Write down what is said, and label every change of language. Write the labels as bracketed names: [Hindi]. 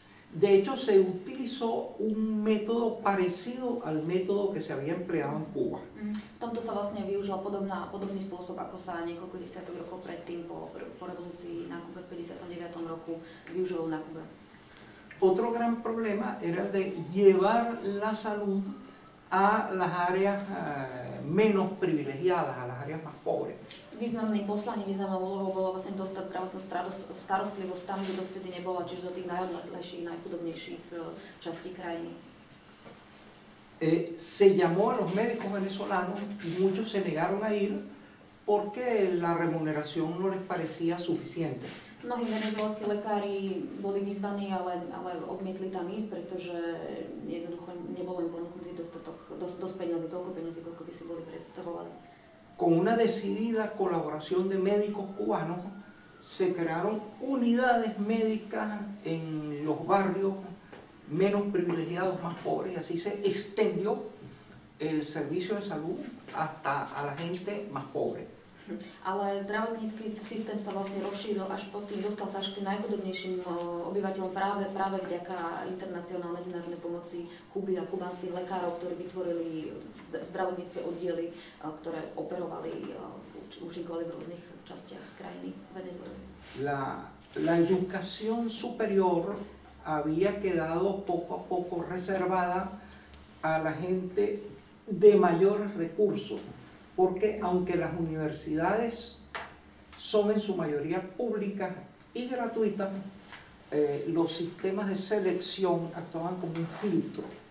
[Spanish] De hecho, se utilizó un método parecido al método que se había empleado en Cuba. [Slovak] V tomto sa vlastne využil podobný spôsob, ako sa niekoľko desiatok rokov predtým po revolúcii na Kube v 59. roku využil na Kube. [Spanish] Otro gran problema era de llevar la salud a las áreas menos privilegiadas, a las áreas más pobres. [Slovak] Významnou úlohou bolo vlastne dostať zdravotnú starostlivosť tam, kde dovtedy nebola, čiže do tých najodlehlejších, najchudobnejších častí krajiny. [Spanish] Se llamó a los médicos venezolanos y muchos se negaron a ir porque la remuneración no les parecía suficiente. [Slovak] Mnohí venezuelskí lekári boli vyzvaní, ale odmietli tam ísť, pretože jednoducho nebolo im ponúknutý dosť peniazy, toľko peniazy, koľko by si boli predstavovali. [Spanish] Con una decidida colaboración de médicos cubanos, se crearon unidades médicas en los barrios menos privilegiados, más pobres, y así se extendió el servicio de salud hasta a la gente más pobre. [Slovak] Ale zdravotnícky systém sa vlastne rozšíril až po tým, dostal sa až k najchudobnejším obyvateľom práve vďaka internacionálnej medzinárodnej pomoci Kuby a kubanských lekárov, ktorí vytvorili zdravotnícke oddiely, ktoré operovali, účinkovali v rôznych častiach krajiny Venezuela. [Spanish] La educación superior había quedado poco a poco reservada a la gente de mayores recursos. Porque aunque las universidades son en su mayoría públicas y gratuitas, los sistemas de selección actuaban como un filtro.